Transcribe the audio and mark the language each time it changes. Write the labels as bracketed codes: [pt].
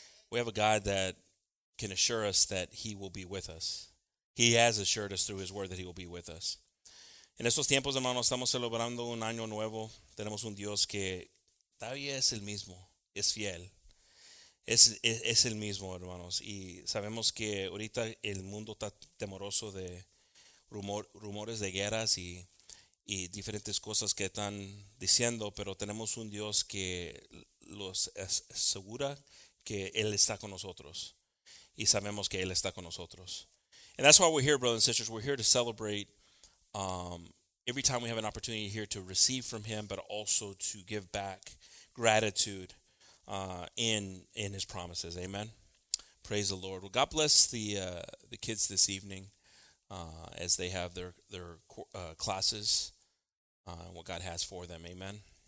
[en] We have a God that can assure us that he will be with us. He has assured us through his word that he will be with us. [es] En estos tiempos, hermanos, estamos celebrando un año nuevo. Tenemos un Dios que todavía es el mismo, es fiel. Es el mismo, hermanos. Y sabemos que ahorita el mundo está temoroso de rumores de guerras y diferentes cosas que están diciendo, pero tenemos un Dios que los asegura que Él está con nosotros, y sabemos que Él está con nosotros. [en] And that's why we're here, brothers and sisters. We're here to celebrate every time we have an opportunity here to receive from Him, but also to give back gratitude in His promises. Amen? Praise the Lord. Well, God bless the kids this evening as they have their classes, what God has for them. Amen?